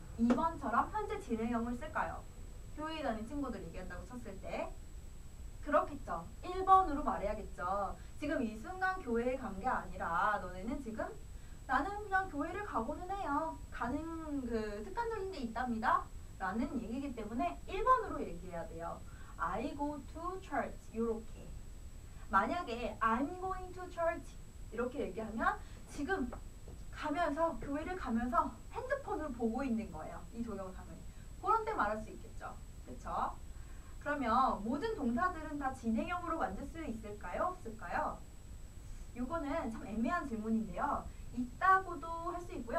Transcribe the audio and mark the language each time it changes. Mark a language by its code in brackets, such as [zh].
[ko] 2번처럼 현재 진행형을 쓸까요? 교회에 다니는 친구들 얘기한다고 쳤을 때 그렇겠죠. 1번으로 말해야겠죠. 지금 이 순간 교회에 간 게 아니라 너네는 지금 나는 그냥 교회를 가고는 해요. 가는 그 습관적인 게 있답니다. 라는 얘기이기 때문에 1번으로 얘기해야 돼요. [en] I go to church. 이렇게. 만약에 I'm going to church. [ko] 이렇게 얘기하면 지금 가면서 교회를 가면서 핸드폰을 보고 있는 거예요. 이 동영상을. 그런 때 말할 수 있겠죠. 그렇죠? 그러면 모든 동사들은 다 진행형으로 만들 수 있을까요? 없을까요? 이거는 참 애매한 질문인데요. 있다고도 할 수 있고요.